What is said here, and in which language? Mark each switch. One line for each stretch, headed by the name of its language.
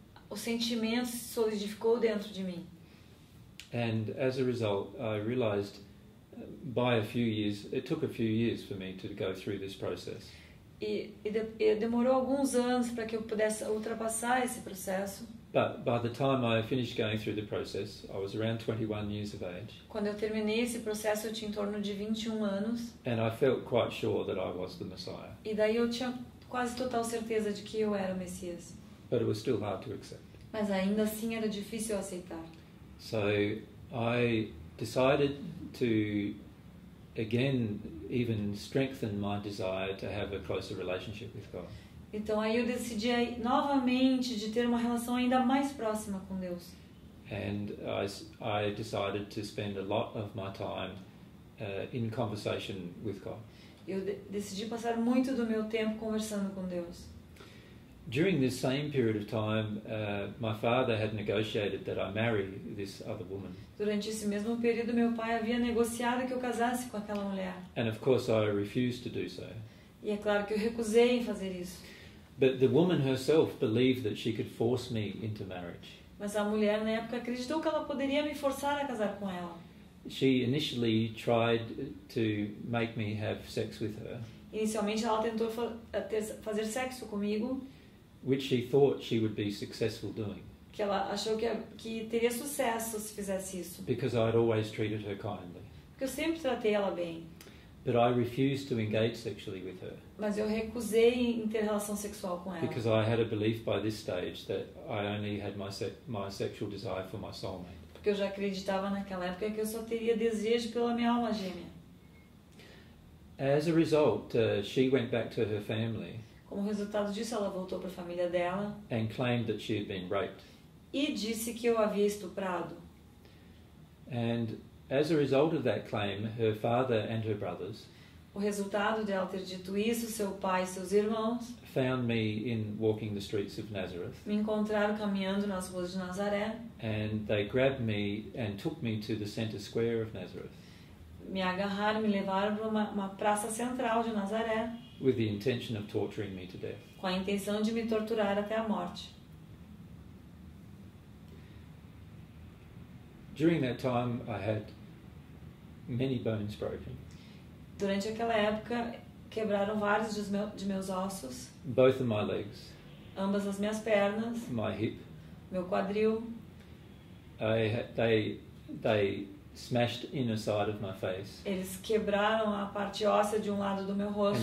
Portuguese: O sentimento se solidificou dentro de mim.
English: And as a result, I realized by a few years, it took a few years for me to go through this process.
Portuguese: E demorou alguns anos para que eu pudesse ultrapassar esse processo.
English: But by the time I finished going through the process, I was around 21 years of age.
Portuguese: Quando eu terminei esse processo, eu tinha em torno de 21 anos.
English: And I felt quite sure that I was the Messiah.
Portuguese: E daí eu tinha quase total certeza de que eu era o Messias.
English: But it was still hard to accept.
Portuguese: Mas ainda assim era difícil aceitar.
English: So I decided to again even strengthen my desire to have a closer relationship with God.
Portuguese: Então aí eu decidi novamente de ter uma relação ainda mais próxima com Deus.
English: And I decided to spend a lot of my time in conversation with God.
Portuguese: Eu decidi passar muito do meu tempo conversando com Deus.
English: During this same period of time, my father had negotiated that I marry this other woman.
Portuguese: Durante esse mesmo período, meu pai havia negociado que eu casasse com aquela mulher.
English: And of course, I refused to do so.
Portuguese: E é claro que eu recusei em fazer isso.
English: But the woman herself believed that she could force me into marriage.
Portuguese: Mas a mulher na época acreditou que ela poderia me forçar a casar com ela.
English: She initially tried to make me have sex with her.
Portuguese: Inicialmente, ela tentou fazer sexo comigo.
English: Which she thought she would be successful doing.
Portuguese: Que ela achou que teria sucesso se fizesse isso.
English: Because I had always treated her kindly.
Portuguese: Porque eu sempre tratei ela bem.
English: But I refused to engage sexually with her.
Portuguese: Mas eu recusei em ter relação sexual com ela.
English: Because I had a belief by this stage that I only had my sexual desire for my soulmate.
Portuguese: Porque eu já acreditava naquela época que eu só teria desejo pela minha alma gêmea.
English: As a result, she went back to her family.
Portuguese: Como resultado disso, ela voltou para a família dela
English: and claimed that she had been raped.
Portuguese: E disse que eu havia estuprado.
English: And as a result of that claim, her father and her brothers,
Portuguese: o resultado de ela ter dito isso, seu pai e seus irmãos,
English: found me in walking the streets of Nazareth.
Portuguese: Me encontraram caminhando nas ruas de Nazaré.
English: And they grabbed me and took me to the center square of Nazareth.
Portuguese: Me agarraram, me levaram para uma praça central de Nazaré.
English: With the intention of torturing me to death.
Portuguese: Com a intenção de me torturar até a morte.
English: During that time, I had many bones broken.
Portuguese: Durante aquela época, quebraram vários de meus ossos.
English: Both of my legs.
Portuguese: Ambas as minhas pernas.
English: My hip.
Portuguese: Meu quadril.
English: They smashed inner side of my face.
Portuguese: Eles quebraram a parte óssea de um lado do meu rosto.